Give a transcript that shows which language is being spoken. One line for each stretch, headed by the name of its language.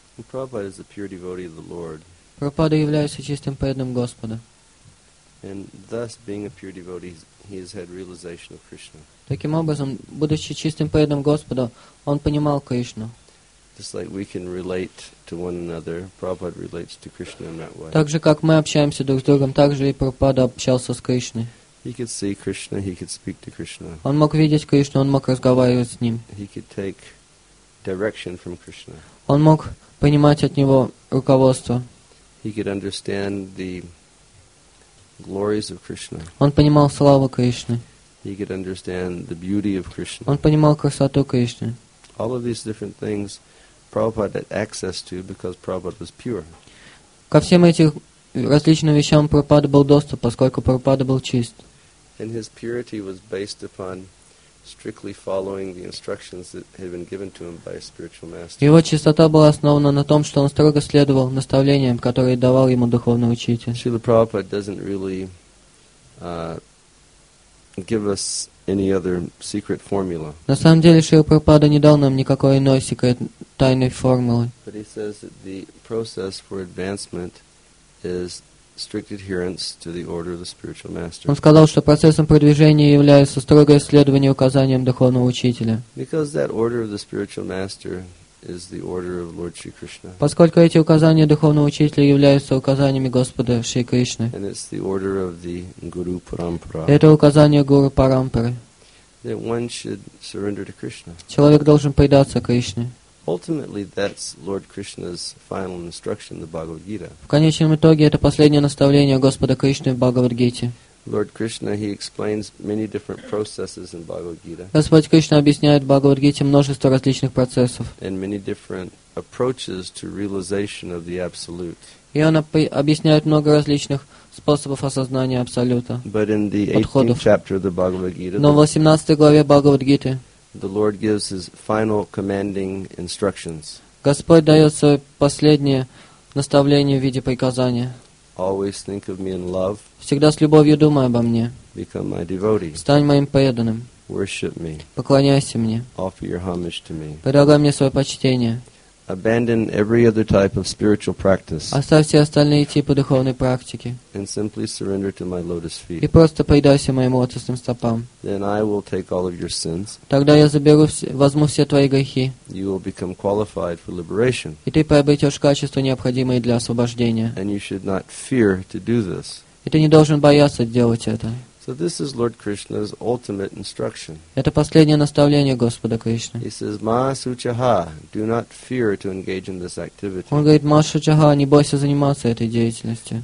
English: Prabhupada is a pure devotee of the Lord.
Russian: Прабхупада является чистым преданным Господа.
English: And thus, being a pure devotee, he has had realization of Krishna.
Russian: Таким образом, будучи чистым преданным Господа, он понимал Кришну.
English: Just like we can relate to one another, Prabhupada relates to Krishna in that way.
Russian: Так же, как мы общаемся друг с другом, так же и Прабхупада общался с Кришной.
English: He could see Krishna, he could speak to Krishna.
Russian: Он мог видеть Кришну, он мог разговаривать с ним.
English: He could take direction from Krishna.
Russian: Он мог понимать от него руководство.
English: He could understand the glories of Krishna.
Russian: Он понимал славу Кришны.
English: He could understand the beauty of Krishna.
Russian: Он понимал красоту Кришны.
English: All of these different things Prabhupada had access to because Prabhupada was pure.
Russian: Ко всем этим различным вещам Прабхупада был доступ, поскольку Прабхупада был чист.
English: And his purity was based upon strictly following the instructions that had been given to him by a spiritual master.
Russian: Его чистота была основана на том, что он строго следовал наставлениям, которые давал ему духовный учитель.
English: Srila Prabhupada doesn't really give us any other secret formula.
Russian: На самом деле, Srila Prabhupada не дал нам никакой иной секрет тайной формулы.
English: But he says that the process for advancement is strict adherence to the order of the spiritual master.
Russian: Он сказал, что процессом продвижения является строгое следование указаниям духовного учителя.
English: Because that order of the spiritual master is the order of Lord Shri Krishna.
Russian: Поскольку эти указания духовного учителя являются указаниями Господа Шри Кришны.
English: And it's the order of the Guru Parampara.
Russian: Это указание Гуру Парампары.
English: That one should surrender to Krishna.
Russian: Человек должен предаться Кришне.
English: Ultimately, that's Lord Krishna's final instruction in the Bhagavad Gita.
Russian: В конечном итоге это последнее наставление Господа Кришны в Бхагавад Гите.
English: Lord Krishna, he explains many different processes in Bhagavad Gita.
Russian: Господь Кришна объясняет в Бхагавад Гите множество различных процессов.
English: And many different approaches to realization of the Absolute.
Russian: И он объясняет много различных способов осознания Абсолюта.
English: But in the 18th chapter of the Bhagavad Gita.
Russian: Но в 18 главе Бхагавад Гиты.
English: The Lord gives his final commanding instructions.
Russian: Господь дает свое последнее наставление в виде приказания.
English: Always think of me in love.
Russian: Всегда с любовью думай обо мне.
English: Become my devotee.
Russian: Стань моим преданным.
English: Worship me.
Russian: Поклоняйся мне.
English: Offer your homage to me.
Russian: Предлагай мне свое почтение.
English: Abandon every other type of spiritual practice.
Russian: Оставь все остальные типы духовной практики.
English: And simply surrender to my lotus feet.
Russian: И просто предайся моим лотосным стопам.
English: Then I will take all of your sins.
Russian: Тогда я заберу все, возьму все твои грехи.
English: You will become qualified for liberation.
Russian: И ты приобретешь качества, необходимые для освобождения.
English: And you should not fear to do this.
Russian: И ты не должен бояться делать это.
English: So this is Lord Krishna's ultimate instruction.
Russian: Это последнее наставление Господа Кришны.
English: He says, Ma-su-cha-ha, do not fear to engage in this activity.
Russian: Он говорит, Ма-су-чаха, не бойся заниматься этой деятельностью.